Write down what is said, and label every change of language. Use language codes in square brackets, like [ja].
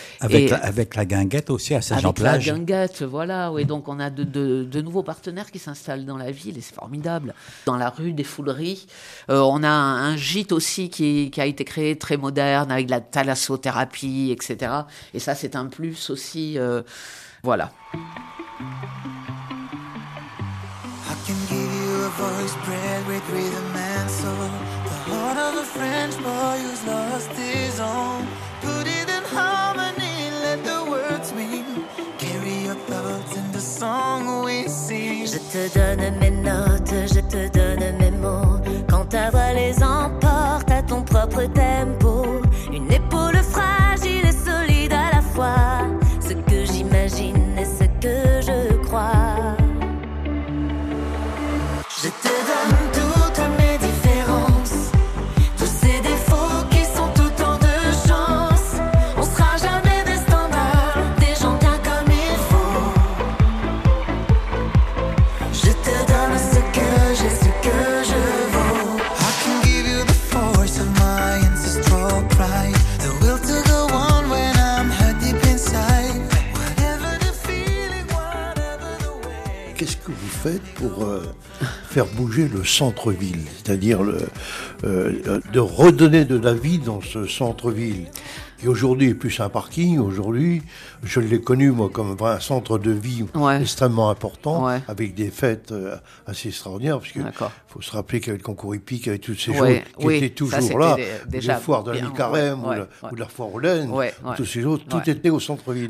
[fr] Avec la guinguette aussi à Saint-Jean-Plage. Avec la guinguette, voilà. Oui, donc on a de nouveaux partenaires qui s'installent dans la ville et c'est formidable. Dans la rue des Fouleries, on a un gîte aussi qui a été créé très moderne avec de la thalassothérapie, etc. Et ça, c'est un plus aussi. Voilà. [en] I can give you a voice bred with rhythm and soul. The heart of a French boy who's lost his own. Put it in harmony, let the words mean. Carry your thoughts in the song we sing. [fr] Je te donne mes notes, je te donne mes mots. Quand ta voix les emporte à ton propre tempo. Une épaule fragile et solide à la fois. Ce que j'imagine et ce que je crois. Je te donne toutes mes différences, tous ces défauts qui sont autant de chances. On sera jamais des standards, des gens bien comme il faut. Je te donne ce que j'ai, ce que je vaux. I can give you the force of my ancestral pride. The will to go on when I'm hurt deep inside. Whatever the feeling, whatever the way. Qu'est-ce que vous faites pour... faire bouger le centre-ville, c'est-à-dire de redonner de la vie dans ce centre-ville. Et aujourd'hui, plus un parking, aujourd'hui, je l'ai connu, moi, comme un centre de vie extrêmement important, avec des fêtes assez extraordinaires, parce qu'il faut se rappeler qu'il y avait le concours hippique, avec toutes ces choses qui étaient toujours là, les foires de la mi-carême ou de la foire aux laines, tous ces jours, tout était au centre-ville.